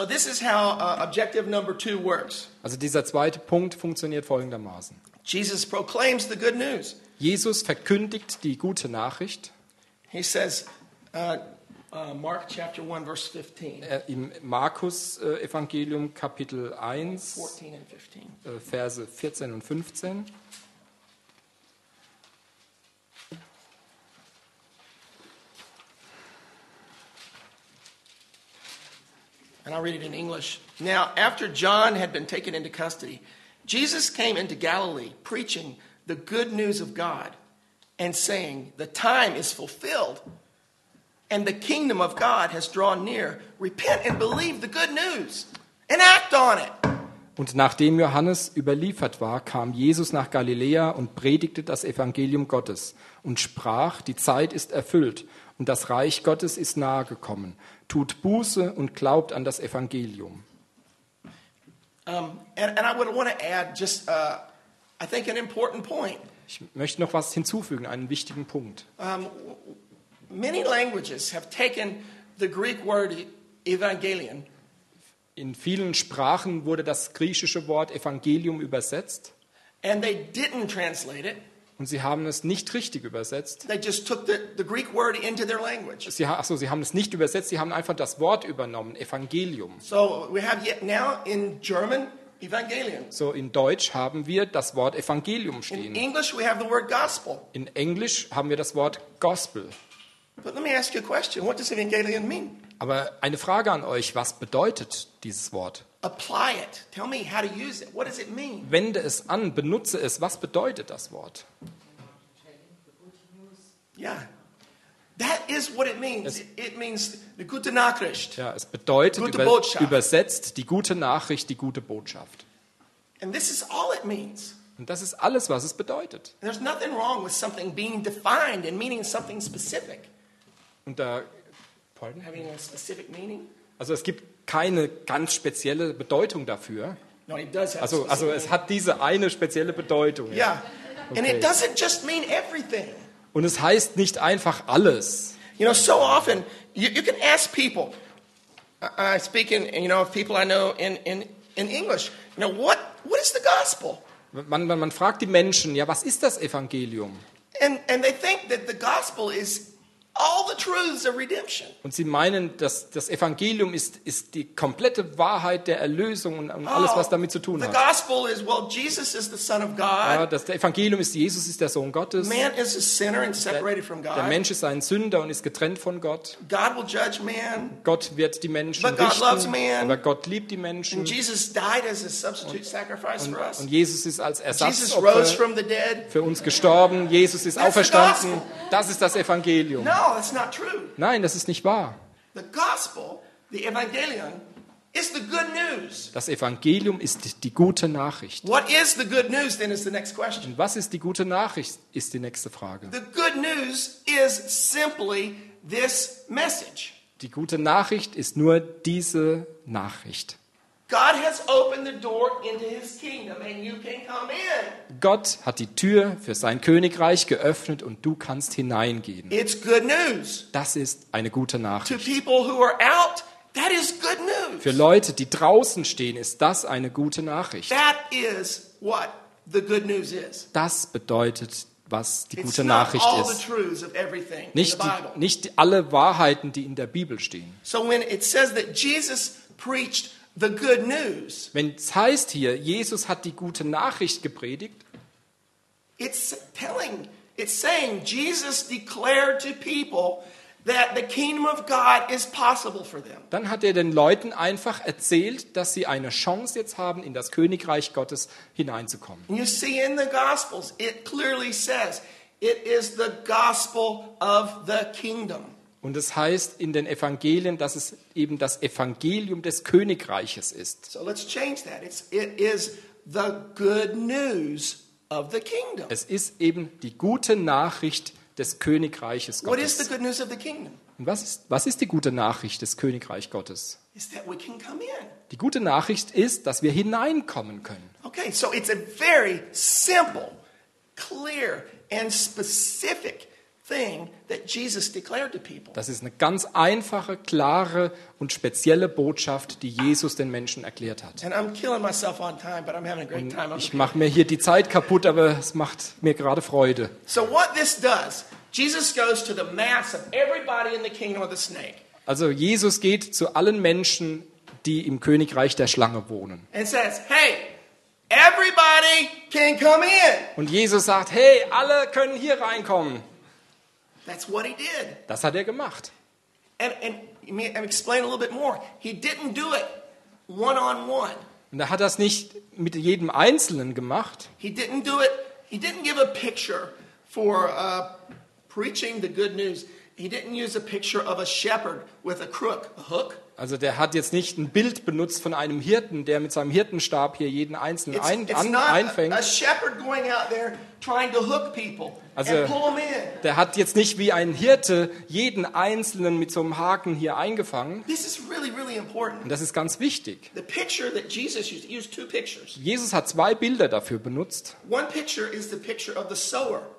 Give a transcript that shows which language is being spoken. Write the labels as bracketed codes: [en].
[en] So this is how, objective number two works. [de] Also dieser zweite Punkt funktioniert folgendermaßen. [en] Jesus proclaims the good news. [de] Jesus verkündigt die gute Nachricht. [en] He says, Mark chapter 1 verse 15. [de] Im Markus Evangelium Kapitel 1 [en] 14 and 15. [de] Verse 14 und 15. [en] And I'll read it in English. Now, after John had been taken into custody, Jesus came into Galilee preaching the good news of God and saying, "The time is fulfilled. And the kingdom of God has drawn near. Repent and believe the good news and act on it." [de] Und nachdem Johannes überliefert war, kam Jesus nach Galiläa und predigte das Evangelium Gottes und sprach: Die Zeit ist erfüllt und das Reich Gottes ist nahe gekommen. Tut Buße und glaubt an das Evangelium. [en] And I would want to add just I think an important point. [de] Ich möchte noch was hinzufügen, einen wichtigen Punkt. [en] Many languages have taken the Greek word evangelion. [de] In vielen Sprachen wurde das griechische Wort Evangelium übersetzt. [en] And they didn't translate it. [de] Und sie haben es nicht richtig übersetzt. [en] They just took the Greek word into their language. [de] Sie haben es nicht übersetzt, sie haben einfach das Wort übernommen, Evangelium. [en] So we have yet now in German evangelion. [de] So in Deutsch haben wir das Wort Evangelium stehen. [en] In English we have the word gospel. [de] In Englisch haben wir das Wort Gospel. [en] But let me ask you a question. What does evangelion mean? [de] Aber eine Frage an euch, was bedeutet dieses Wort? [en] Apply it. Tell me how to use it. What does it mean? [de] Wende es an, benutze es. Was bedeutet das Wort? [en] Yeah. That is what it means. It means [de] die gute Nachricht. Ja, es bedeutet übersetzt die gute Nachricht, die gute Botschaft. [en] And this is all it means. [de] Und das ist alles, was es bedeutet. [en] There's nothing wrong with something being defined and meaning something specific. [de] Und da, [en] pardon? Having a specific meaning? [de] Also es gibt keine ganz spezielle Bedeutung dafür. [en] No, it does have [de] also es hat diese eine spezielle Bedeutung. [en] Yeah. Okay. And it doesn't just mean everything. [de] Und es heißt nicht einfach alles. [en] You know, so often you can ask people. I speak in, you know, people I know in English. You know, what is the gospel? [de] Man fragt die Menschen, ja, was ist das Evangelium? [en] And they think that the gospel is all the truths of redemption. [de] Und sie meinen, dass das Evangelium ist die komplette Wahrheit der Erlösung und alles, was damit zu tun hat. [en] The gospel is, well, Jesus is the Son of God. [de] Ja, das Evangelium ist, Jesus ist der Sohn Gottes. [en] Man is a sinner and separated from God. [de] Der Mensch ist ein Sünder und ist getrennt von Gott. [en] God will judge man. [de] Gott wird die Menschen richten. [en] But God loves man. [de] Aber Gott liebt die Menschen. [en] And Jesus died as a substitute sacrifice for us. [de] Und Jesus ist als Ersatzopfer [en] rose from the dead. [de] Für uns gestorben. Jesus ist [en] That's [de] auferstanden. Das ist das Evangelium. [en] No. that's not true. [de] Nein, das ist nicht wahr. [en] The gospel, the evangelion, is the good news. [de] Das Evangelium ist die gute Nachricht. [en] What is the good news then is the next question. [de] Und was ist die gute Nachricht ist die nächste Frage. [en] The good news is simply this message. [de] Die gute Nachricht ist nur diese Nachricht. [en] God has opened the door into his kingdom and you can come in. [de] Gott hat die Tür für sein Königreich geöffnet und du kannst hineingehen. [en] It's good news. [de] Das ist eine gute Nachricht. [en] To people who are out, that is good news. [de] Für Leute, die draußen stehen, ist das eine gute Nachricht. [en] That is what the good news is. [de] Das bedeutet, was die gute Nachricht ist. Nicht alle Wahrheiten, die in der Bibel stehen. [en] So when it says that Jesus preached the good news. [de] Wenn es heißt hier, Jesus hat die gute Nachricht gepredigt. [en] It's saying Jesus declared to people that the kingdom of God is possible for them. [de] Dann hat er den Leuten einfach erzählt, dass sie eine Chance jetzt haben, in das Königreich Gottes hineinzukommen. [en] You see in the Gospels, it clearly says it is the gospel of the kingdom. [de] Und es heißt in den Evangelien, dass es eben das Evangelium des Königreiches ist. [en] So let's change that. It is the good news of the kingdom. [de] Es ist eben die gute Nachricht des Königreiches Gottes. [en] What is the good news of the kingdom? [de] Und was ist die gute Nachricht des Königreich Gottes? [en] Is that we can come in. [de] Die gute Nachricht ist, dass wir hineinkommen können. [en] Okay, so it's a very simple, clear and specific thing that Jesus declared to people. [de] Das ist eine ganz einfache, klare und spezielle Botschaft, die Jesus den Menschen erklärt hat. [en] And I'm killing myself on time, but I'm having a great time. [de] Ich mache mir hier die Zeit kaputt, aber es macht mir gerade Freude. [en] So what this does, Jesus goes to the mass of everybody in the kingdom of the snake. [de] Also Jesus geht zu allen Menschen, die im Königreich der Schlange wohnen. [en] And says, "Hey, everybody can come in." [de] Und Jesus sagt, "Hey, alle können hier reinkommen." [en] That's what he did. [de] Das hat er gemacht. [en] And explain a little bit more. He didn't do it one on one. [de] Und er hat das nicht mit jedem Einzelnen gemacht. [en] He didn't do it. He didn't give a picture for preaching the good news. He didn't use a picture of a shepherd with a crook, a hook. [de] Also der hat jetzt nicht ein Bild benutzt von einem Hirten, der mit seinem Hirtenstab hier jeden Einzelnen einfängt. [en] A shepherd going out there trying to hook people. [de] Also der hat jetzt nicht wie ein Hirte jeden Einzelnen mit so einem Haken hier eingefangen. [en] This is really, really important. [de] Und das ist ganz wichtig. [en] The picture that Jesus used two pictures. [de] Jesus hat zwei Bilder dafür benutzt. [en] One picture is the picture of the sower.